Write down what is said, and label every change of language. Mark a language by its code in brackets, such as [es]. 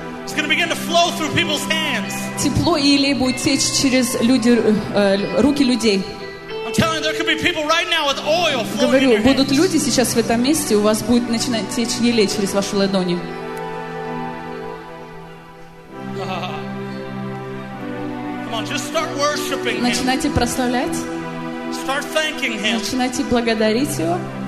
[en] It's going to begin to flow through people's hands. [ru] Тепло и елей будет течь через люди, руки людей. [en] I'm telling you, there could be people right now with oil flowing in your hands. [ru] Говорю, будут люди сейчас в этом месте, у вас будет начинать течь елей через ваши ладони. [en] Come on, just start worshiping him. [ru] Начинайте прославлять. [en] Start thanking him. [ru] Начинайте благодарить его.